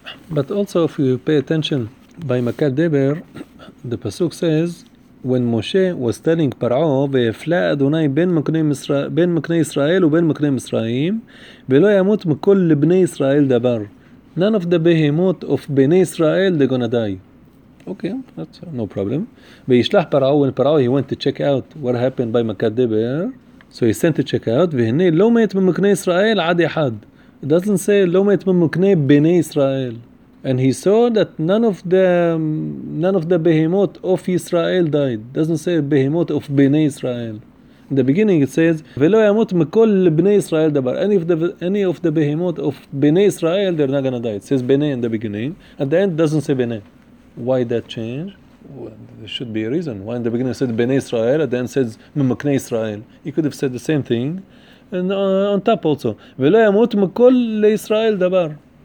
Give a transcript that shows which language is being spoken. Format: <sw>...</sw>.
<en>But also, if you pay attention, by Makat Deber, the Pasuk says, when Moshe was telling Par'o,</en> <he>ויפלא אדוני בין מקני ישראל ובין מקני מצרים, ולא ימות מכל לבני ישראל דבר.</he> <en>None of the behemot of בני ישראל they're gonna die. Okay, that's no problem.</en> <he>וישלח פרעו,</he> <en>when פרעו, he went to check out what happened by מכת דבר. So he sent to check out,</en> <he>והנה לא מת ממקני ישראל עד אחד.</he> <en>It doesn't say</en> <he>לא מת ממקני בני ישראל.</he> <en>And he saw that none of the behemot of Israel died. It doesn't say behemot of בני ישראל. In the beginning it says,</en> <he>ולא ימות מכל בני ישראל דבר.</he> <en>Any of the behemot of בני ישראל, they're not going to die. It says בני in the beginning. At the end, it doesn't say בני. Why that change? Well, there should be a reason. Why in the beginning it said Bnei Israel, at the end it says Mekne Israel. He could have said the same thing. And on top also,</en> <he>V'lo yamut mekol le'Israel dabar.</he>